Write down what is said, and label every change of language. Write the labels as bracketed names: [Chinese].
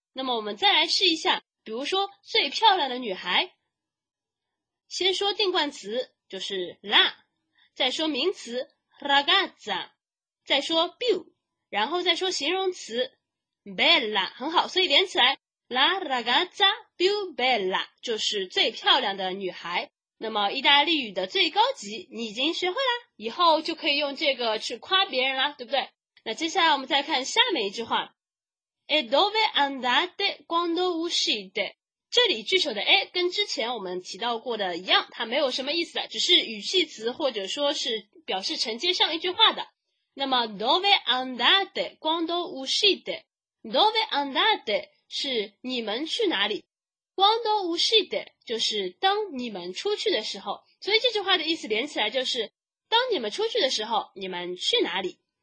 [Chinese] 那么我们再来试一下，比如说最漂亮的女孩，先说定冠词就是 la， 再说名词 ragazza， 再说 più， 然后再说形容词 bella。很好，所以连起来 [Italian] la ragazza più bella [Chinese] 就是最漂亮的女孩。那么意大利语的最高级你已经学会啦，以后就可以用这个去夸别人啦，对不对？那接下来我们再看下面一句话。 [Italian] E dove andate quando uscite？ [Chinese] 这里句首的 a 跟之前我们提到过的一样，它没有什么意思的，只是语气词或者说是表示承接上一句话的。那么 [Italian] dove andate quando uscite， [Chinese] dove andate 是你们去哪里， quando uscite 就是当你们出去的时候，所以这句话的意思连起来就是当你们出去的时候你们去哪里。